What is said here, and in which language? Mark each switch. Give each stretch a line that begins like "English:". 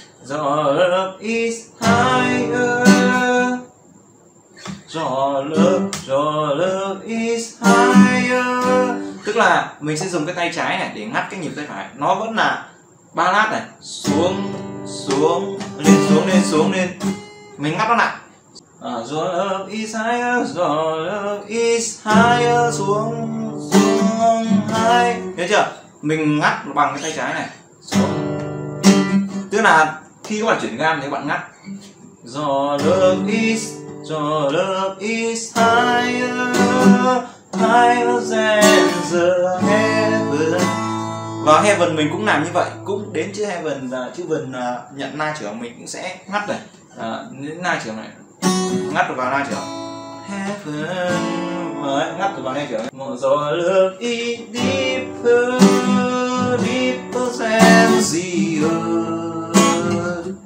English: Your love is higher. Your love is higher.
Vietnamese: Tức là mình sẽ dùng cái tay trái này để ngắt cái nhịp tay phải. Nó vẫn là ba lát này. Xuống, xuống, lên xuống, lên xuống, lên. Mình ngắt nó lại.
English: Your love is higher, your love is higher.
Vietnamese: Xuống, xuống, high. Thấy chưa? Mình ngắt bằng cái tay trái này. Xuống. Tức là khi các bạn chuyển gam thì các bạn ngắt.
English: Your love is higher, higher than the heaven.
Vietnamese: Và heaven mình cũng làm như vậy, cũng đến chữ heaven, chữ vần nhận na trưởng mình cũng sẽ ngắt này, đến na trưởng này, ngắt được vào na trưởng. Heaven, đấy, ngắt được vào na trưởng.
English: Your love is deeper, deeper than the earth.